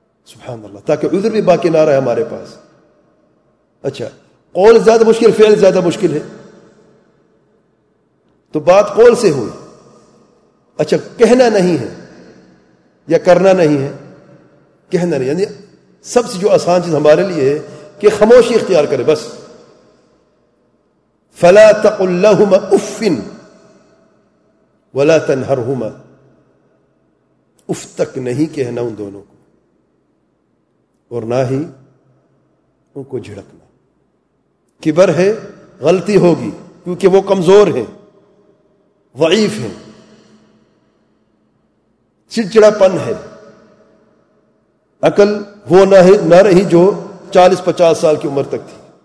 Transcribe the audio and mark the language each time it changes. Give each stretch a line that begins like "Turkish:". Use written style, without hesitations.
Urdu: سبحان اللہ, تاکہ عذر بھی باقی نہ رہے ہمارے پاس. اچھا, قول زیادہ مشکل, فعل زیادہ مشکل ہے, تو بات قول سے ہوئی. اچھا, کہنا نہیں ہے یا کرنا نہیں ہے, کہنا نہیں, یعنی سب سے جو آسان چیز ہمارے لیے ہے کہ خاموشی اختیار کرے بس.
Arabic: فلا تقل لهما اف ولا تنهرهما.
Urdu: اف تک نہیں کہنا ان دونوں کو, اور نہ ہی ان کو جھڑکنا. کبر ہے, غلطی ہوگی, کیونکہ وہ کمزور ہیں, ضعیف ہیں, چڑچڑا پن ہے, عقل وہ نہ رہی جو 40-50 سال کی عمر تک تھی.